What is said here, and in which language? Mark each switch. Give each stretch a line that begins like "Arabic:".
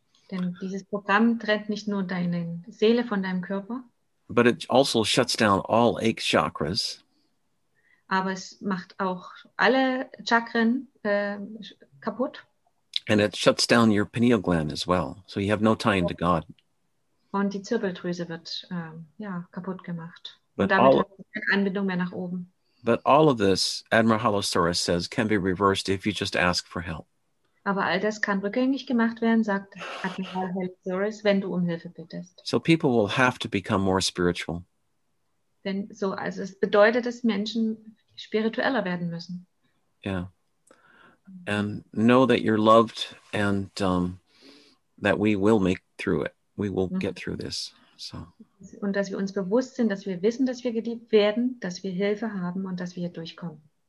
German: denn dieses Programm trennt nicht nur deine Seele von deinem Körper,
English: but it also shuts down all eight chakras.
German: Aber es macht auch alle Chakren kaputt.
English: And it shuts down your pineal gland as well. So you have no tie into God.
German: Und die Zirbeldrüse wird kaputt gemacht.
English: But
German: und damit hat keine Anbindung mehr nach oben.
English: But all of this, Admiral Holosaurus says, can be reversed if you just ask for help.
German: Aber all das kann rückgängig gemacht werden, sagt Admiral Holosaurus, wenn du Hilfe bittest.
English: So people will have to become more spiritual.
German: Denn so, also es bedeutet, dass Menschen spiritueller werden müssen.
English: Yeah. And know that you're loved and that we will make through it. We will get through this. So.
German: Und dass wir uns bewusst sind, dass wir wissen, dass wir geliebt werden, dass wir Hilfe haben und dass wir hier durchkommen.